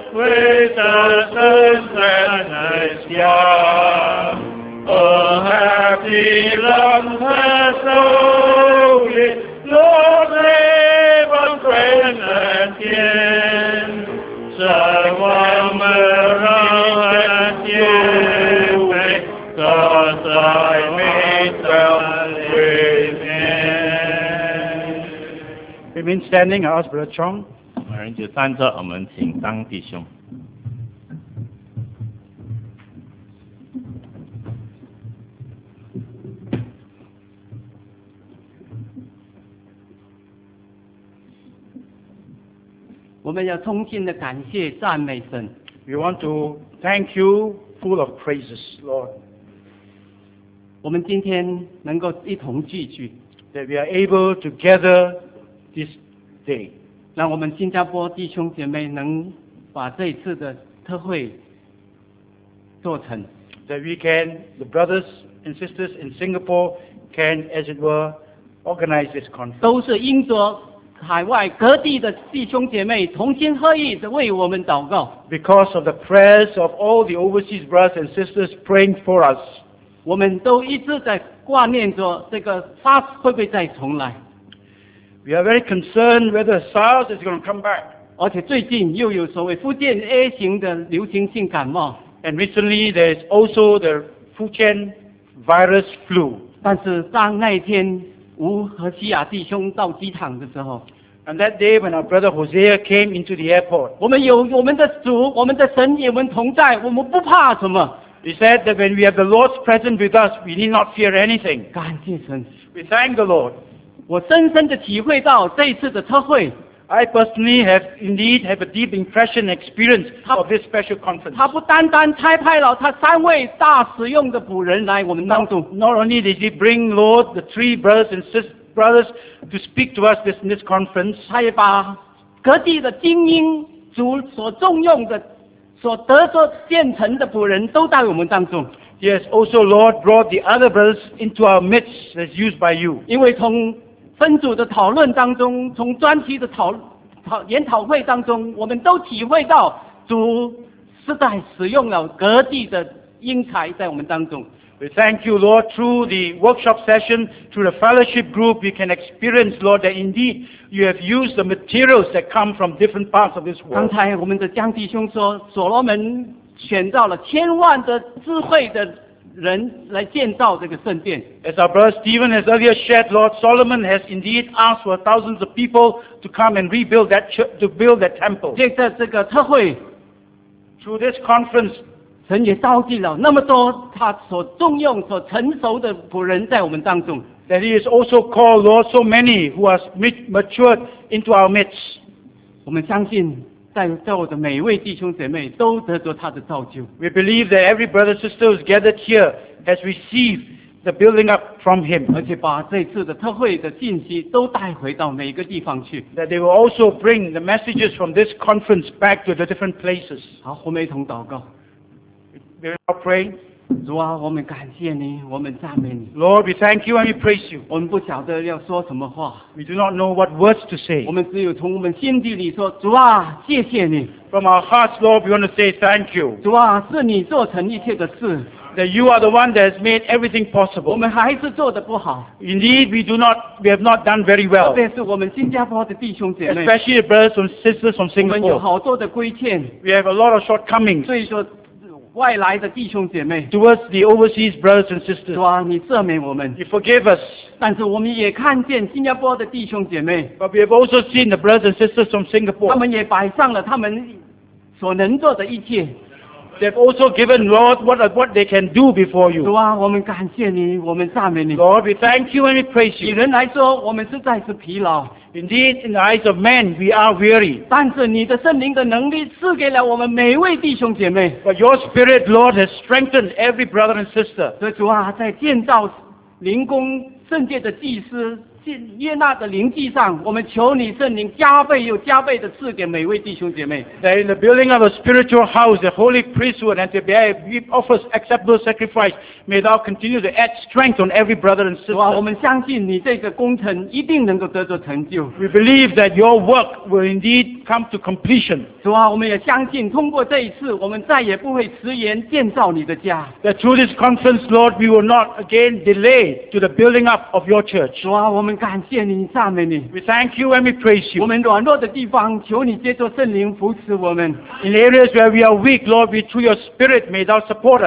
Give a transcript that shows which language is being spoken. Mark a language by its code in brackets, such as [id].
[en] With the sons and his young Oh happy love has only Lord live on friends and kinSo I'm around at you, because I meet well with him. We mean standing, I ask Brother Chong. [zh] 我们就站着，我们请张弟兄。我们要衷心的感谢赞美神。 [en] We want to thank you, full of praises, Lord. [zh] 我们今天能够一同聚聚。 [en] That we are able to gather this day. [zh] 让我们新加坡弟兄姐妹能把这一次的特会做成。 [en] That we can, the brothers and sisters in Singapore can, as it were, organize this conference. [zh] 都是因着海外各地的弟兄姐妹同心合意的为我们祷告。 [en] Because of the prayers of all the overseas brothers and sisters praying for us, [zh] 我们都一直在挂念着这个 SARS 会不会再重来。 [en] We are very concerned whether SARS is going to come back. [zh] 而且最近又有所谓福建 A 型的流行性感冒。 [en] And recently there is also the Fujian virus flu. [zh] 但是当那一天。吴和西亚弟兄到机场的时候 [en] ，And that day when our brother Hosea came into the airport， [zh] 我们有我们的主，我们的神与我们同在，我们不怕什么。 [en] He said that when we have the Lord's presence with us, we need not fear anything。 [zh] 感谢神。 [en] We thank the Lord。 [zh] 我深深地体会到这一次的特会。 [en] I personally have indeed have a deep impression and experience of this special conference. [zh] 他不单单差派了他三位大使用的仆人来我们当中。 [en] Not only did he bring Lord the three brothers and sisters to speak to us this, in this conference. [zh] 他也把各地的精英主所重用的所得所建成的仆人都到我们当中。 [en] Yes, also Lord brought the other brothers into our midst as used by you. [zh] 因为从分组的讨论当中，从专题的研讨会当中，我们都体会到主是在使用了各地的英才在我们当中。 [en] We thank you, Lord, through the workshop session, through the fellowship group, we can experience, Lord, that indeed you have used the materials that come from different parts of this world. [zh] 刚才我们的江弟兄说，所罗门选召了千万的智慧的人来建造这个圣殿。 [en] As our brother Stephen has earlier shared, Lord Solomon has indeed asked for thousands of people to come and rebuild that church, to build that temple. [zh] 借着这个特会 [en] ，through this conference, [zh] 神也召集了那么多他所重用、所成熟的仆人在我们当中。 [en] That he has also called Lord so many who are matured into our midst. [zh] 我们相信。在座的每一位弟兄姐妹都得着他的造就。 [en] We believe that every brother and sister who's gathered here has received the building up from him. [zh] 而且把这次的特会的信息都带回到每个地方去。 [en] That they will also bring the messages from this conference back to the different places. [zh] 好，我们一同祷告。 [en] We will pray. [zh] 主啊，我们感谢你，我们赞美你。 [en] Lord, we thank you and we praise you. [zh] 我们不晓得要说什么话。 [en] We do not know what words to say. [zh] 我们只有从我们心底里说，主啊，谢谢你。 [en] From our hearts, Lord, we want to say thank you. [zh] 主啊，是你做成一切的事。 [en] That you are the one that has made everything possible. [zh] 我们还是做得不好。 [en] Indeed, we have not done very well. [zh] 特别是我们新加坡的弟兄姐妹。 [en] Especially brothers and sisters from Singapore. [zh] 我们有好多的亏欠。 [en] We have a lot of shortcomings. [zh] 所以说。外来的弟兄姐妹 [en] ，towards the overseas brothers and sisters， [zh] 主啊，你赦免我们 [en] ，you forgive us。 [zh] 但是我们也看见新加坡的弟兄姐妹 [en] ，but we have also seen the brothers and sisters from Singapore。 [zh] 他们也摆上了他们所能做的一切 [en] ，they've also given Lord what they can do before you。 [zh] 主啊，我们感谢你，我们赞美你。 [en] Lord, we thank you and we praise you。 [zh] 以人来说，我们实在是疲劳。 [en] Indeed, in the eyes of men, we are weary. [zh] 但是你的圣灵的能力赐给了我们每位弟兄姐妹。 [en] But your Spirit, Lord, has strengthened every brother and sister. [zh] 所以主啊，在建造灵宫圣殿的祭司约纳的灵祭上，我们求你圣灵加倍又加倍的赐给每位弟兄姐妹。 [en] That in the building of a spiritual house, the holy priesthood and to be offered acceptable sacrifice, may thou continue to add strength on every brother and sister. [zh] 主啊，我们相信你这个工程一定能够得着成就。 [en] We believe that your work will indeed come to completion. [zh] 主啊，我们也相信通过这一次，我们再也不会迟延建造你的家。 [en] That through this conference, Lord, we will not again delay to the building up of your church. [zh] 主啊，我们感谢你，赞美你。 [en] We thank you and we praise you. [zh] 我们软弱的地方，求你借着圣灵扶持我们。 [en] In areas where we are weak, Lord, we through your Spirit may thou support us.